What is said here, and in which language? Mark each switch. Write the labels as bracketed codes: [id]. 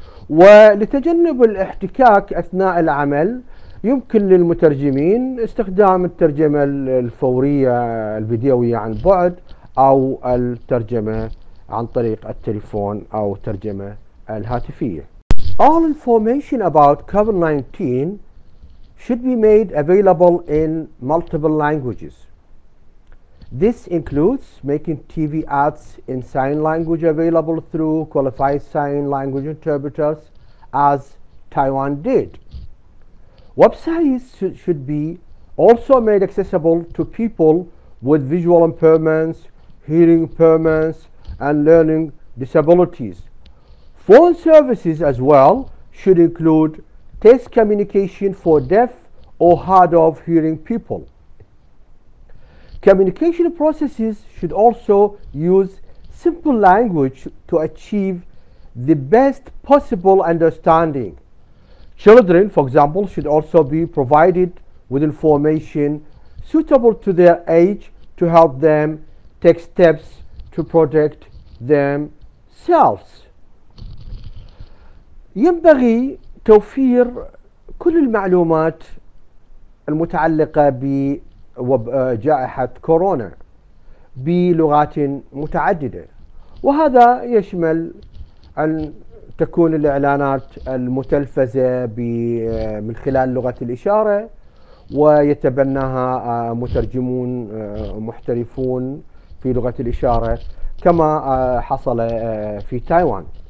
[ar] ولتجنب الاحتكاك أثناء العمل، يمكن للمترجمين استخدام الترجمة الفورية الفيديوية عن بعد أو الترجمة عن طريق التليفون أو الترجمة الهاتفية. [en] All information about COVID-19 should be made available in multiple languages. This includes making TV ads in sign language available through qualified sign language interpreters, as Taiwan did. Websites should be also made accessible to people with visual impairments, hearing impairments, and learning disabilities. Phone services as well should include text communication for deaf or hard of hearing people. Communication processes should also use simple language to achieve the best possible understanding. Children, for example, should also be provided with information suitable to their age to help them take steps to protect themselves. [ar] ينبغي توفير كل المعلومات المتعلقة بجائحة كورونا بلغات متعددة، وهذا يشمل أن تكون الإعلانات المتلفزة من خلال لغة الإشارة ويتبناها مترجمون محترفون في لغة الإشارة كما حصل في تايوان.